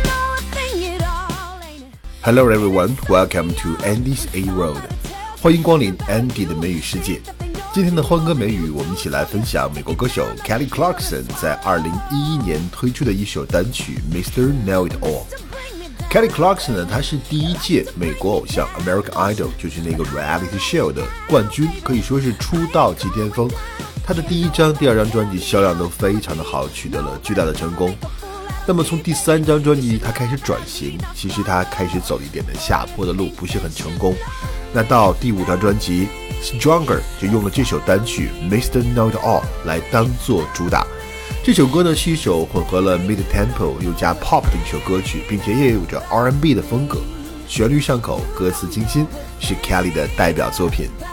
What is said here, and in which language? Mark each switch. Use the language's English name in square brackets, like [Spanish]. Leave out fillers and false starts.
[English] Hello everyone, welcome to Andy's A World. [Chinese] 欢迎光临 Andy 的美语世界。今天的欢歌美语，我们一起来分享美国歌手 Kelly Clarkson 在2011年推出的一首单曲 Mr. Know It All。 Kelly Clarkson 呢，他是第一届美国偶像 American Idol， 就是那个 Reality Show 的冠军，可以说是出道即巅峰。他的第一张、第二张专辑销量都非常的好，取得了巨大的成功。那么从第三张专辑他开始转型，其实他开始走一点的下坡的路，不是很成功。那到第五张专辑 Stronger 就用了这首单曲 Mr. Know It All 来当作主打。这首歌呢是一首混合了 mid-tempo 又加 pop 的一首歌曲，并且也有着 R&B 的风格，旋律上口，歌词精心，是 Kelly 的代表作品。